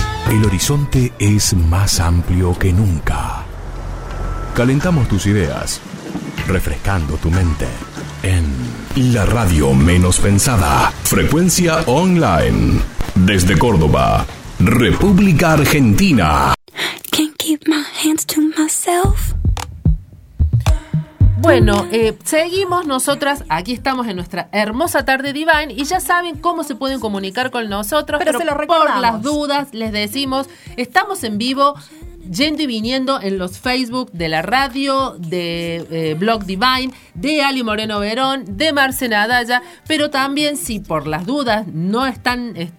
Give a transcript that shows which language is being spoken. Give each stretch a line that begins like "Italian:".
Spanish: El horizonte es más amplio que nunca. Calentamos tus ideas, refrescando tu mente en la radio menos pensada, Frecuencia Online, desde Córdoba, República Argentina.
English: Can't keep my hands to myself.
Spanish: Bueno, seguimos nosotras. Aquí estamos en nuestra hermosa tarde Divine y ya saben cómo se pueden comunicar con nosotros. Pero se lo recordamos. Por las dudas, les decimos, estamos en vivo, yendo y viniendo en los Facebook de la radio, de Blog Divine, de Ali Moreno Verón, de Marce Nadalla, pero también si por las dudas no están